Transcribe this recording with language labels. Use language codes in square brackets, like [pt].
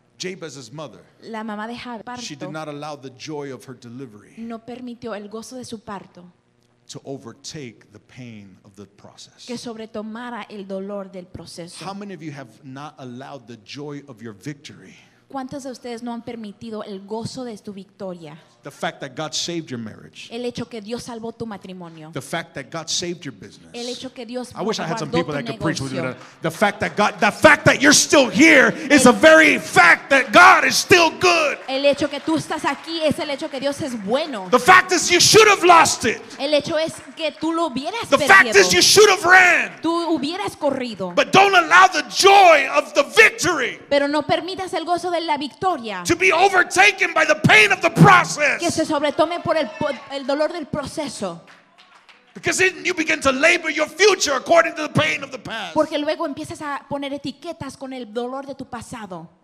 [en] Jabez's mother. [es] La mamá de Jabez. [en] She did not allow the joy of her delivery. [es] No permitió el gozo de su parto. [en] To overtake the pain of the process. [es] Que sobretomara el dolor del proceso. [en] How many of you have not allowed the joy of your victory? [es] ¿Cuántos de ustedes no han permitido el gozo de tu victoria? [en] The fact that God saved your marriage. [es] El hecho que Dios salvó tu matrimonio. [en] The fact that God saved your business. [es] El hecho que Dios [en] I wish I had some people that [es] negocio. [en] Could preach with you. The fact that you're still here is the very fact that God is still good. [es] El hecho que tú estás aquí es el hecho que Dios es bueno. [en] The fact is you should have lost it. [es] El hecho es que tú lo hubieras [en] the [es] perdido. [en] Fact is you should have ran. [es] Tú hubieras corrido. [en] But don't allow the joy of the victory. [es] Pero no permitas el gozo de la victoria. [en] To be overtaken by the pain of the process. [es] Que se sobretome por el dolor del proceso. [en] Because then you begin to label your future according to the pain of the past. [es] Porque luego empiezas a poner etiquetas con el dolor de tu pasado.